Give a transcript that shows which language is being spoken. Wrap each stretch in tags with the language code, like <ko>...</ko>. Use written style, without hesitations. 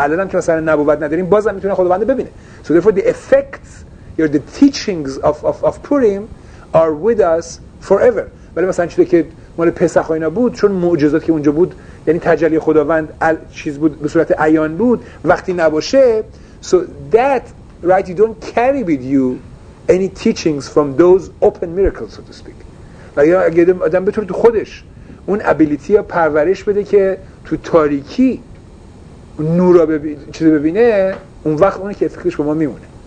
<fa>الان هم که مثلا نبوت نداریم بازم میتونه خداوند ببینه.</fa> <en>So therefore the effects or the teachings of Purim are with us forever.</en> <fa>ولی مثلا چیزی که مال پسخ اینا بود، چون معجزات که اونجا بود یعنی تجلی خداوند چیز بود به صورت عیان بود، وقتی نباشه</fa> <en>so that right you don't carry with you any teachings from those open miracles so to speak.</en> <fa>یا اگه آدم بتونه تو خودش اون ابیلیتی یا پرورش بده که تو تاریکی نورا ببینه، چیزی ببینه، اون وقت اونه که افکتش با ما میمونه.</fa>